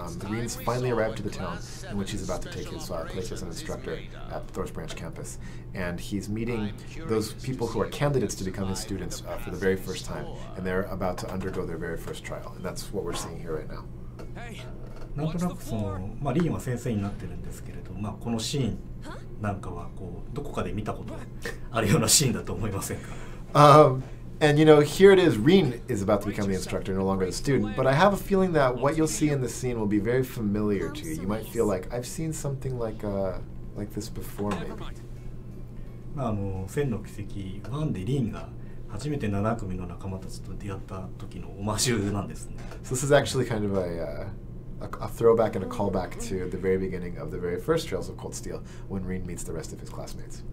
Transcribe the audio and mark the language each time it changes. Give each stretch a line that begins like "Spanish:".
English: The Reen's finally arrived to the town in which he's about to take his place as an instructor at Thor's Branch campus. And he's meeting those people who are candidates to become his students for the very first time. And they're about to undergo their very first trial. And that's what we're seeing here right now.
Japanese: なんとなくその、まあ、リーンは先生になってるんですけれど、まあ、このシーンなんかはこうどこかで見たことあるようなシーンだと思いませんか。
English: And you know, here it is, Rin is about to become the instructor, no longer the student, but I have a feeling that what you'll see in this scene will be very familiar to you. You might feel like, I've seen something like this before, maybe.
Japanese: 千の奇跡1でリーンが初めて7組の仲間たちと出会った時のオマージュなんですね。
English: So this is actually kind of a... a throwback and a callback to the very beginning of the very first Trails of Cold Steel when Rin meets the rest of his classmates.